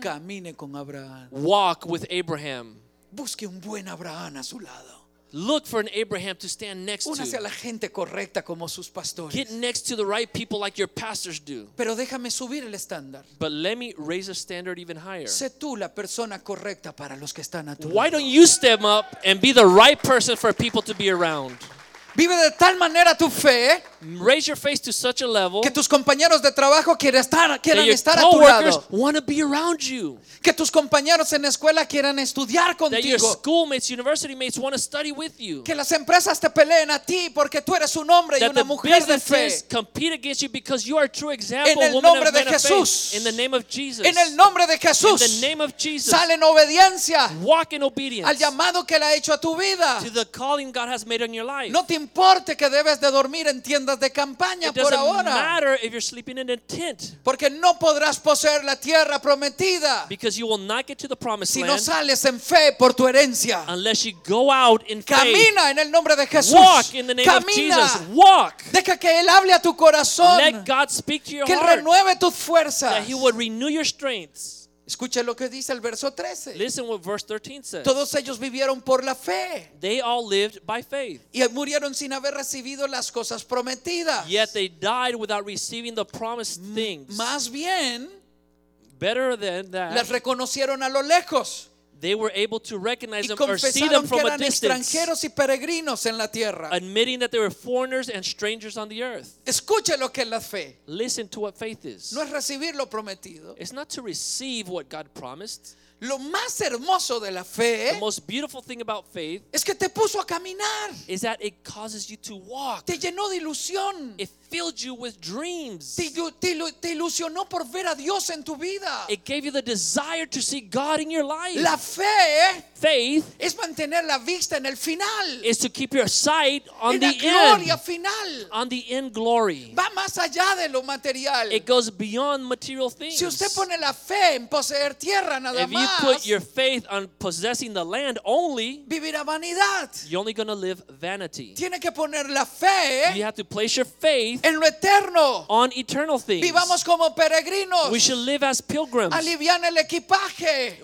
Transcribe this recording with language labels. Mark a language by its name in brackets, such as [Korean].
[Spanish] Camine con Abraham. [English] Walk with Abraham. [Spanish] Busque un buen Abraham a su lado. [English] Look for an Abraham to stand next [Spanish] Únase [English] to. [Spanish] A la gente correcta como sus pastores. [English] Get next to the right people like your pastors do. [Spanish] Pero déjame subir el estándar. [English] But let me raise a standard even higher. [Spanish] Sé tú la persona correcta para los que están a tu [English] Why [Spanish] lado. [English] Don't you step up and be the right person for people to be around? [Spanish] Vive de tal manera tu fe. [English] Raise your faith to such a level [Spanish] que tus compañeros de trabajo quieran estar a tu lado. [English] Want to be around you. [Spanish] Que tus compañeros en escuela quieran estudiar contigo. [English] That your schoolmates, university mates want to study with you. [Spanish] Que las empresas te peleen a ti porque tú eres un hombre [English] that [Spanish] y una mujer de fe. [English] Compete against you because you are a true example, [Spanish] en el nombre de Jesús. [English] In the name of Jesus. [Spanish] En el nombre de Jesús. [English] In the name of Jesus. [Spanish] Sal en obediencia. [English] Walk in obedience. [Spanish] Al llamado que le ha hecho a tu vida. [English] To the calling God has made on your life. [Spanish] No te importe que debes de dormir en tiendas de campaña por ahora. [English] It doesn't matter if you're sleeping in a tent. [Spanish] Porque no podrás poseer la tierra prometida. [English] Because you will not get to the promised [Spanish] si [English] land. [Spanish] Si no sales en fe por tu herencia. [English] Unless you go out in [Spanish] Camina [English] faith. [Spanish] En el nombre de Jesús. [English] Walk in the name [Spanish] Camina. [English] Of Jesus. Walk. [Spanish] Deja que él hable a tu corazón. [English] Let God speak to your [Spanish] que [English] heart. [Spanish] Que renueve tus fuerzas. [English] That he will renew your strengths. [Spanish] Escucha lo que dice el verso 13. [English] Listen what verse 13 says. [Spanish] Todos ellos vivieron por la fe. [English] They all lived by faith. [Spanish] Y murieron sin haber recibido las cosas prometidas. [English] Yet they died without receiving the promised things. [Spanish] Más bien, [English] better than that, [Spanish] las reconocieron a lo lejos. [English] They were able to recognize them or see them from a distance. [Spanish] Y confesaron que eran extranjeros y peregrinos en la tierra. [English] Admitting that they were foreigners and strangers on the earth. [Spanish] Escuche lo que es la fe. [English] Listen to what faith is. [Spanish] No es recibir lo prometido. [English] It's not to receive what God promised. [Spanish] Lo más hermoso de la fe. [English] The most beautiful thing about faith. [Spanish] Es que te puso a caminar. [English] Is that it causes you to walk. [Spanish] Te llenó de ilusión. [English] It filled you with dreams. [Spanish] Te ilusionó por ver a Dios en tu vida. [English] It gave you the desire to see God in your life. [Spanish] La fe. [English] Faith. [Spanish] Es mantener la vista en el final. [English] Is to keep your sight on [Spanish] en [English] the [Spanish] la gloria [English] end. [Spanish] Final. [English] On the end glory. [Spanish] Va más allá de lo material. [English] It goes beyond material things. [Spanish] Si usted pone la fe en poseer tierra nada más. [English] You put your faith on possessing the land only. [Spanish] Vivirá vanidad. [English] You're only going to live vanity. [Spanish] Tiene que poner la fe. [English] You have to place your faith [Spanish] en lo eterno. [English] On eternal things. [Spanish] Vivamos como peregrinos. [English] We should live as pilgrims. [Spanish] Alivian el equipaje.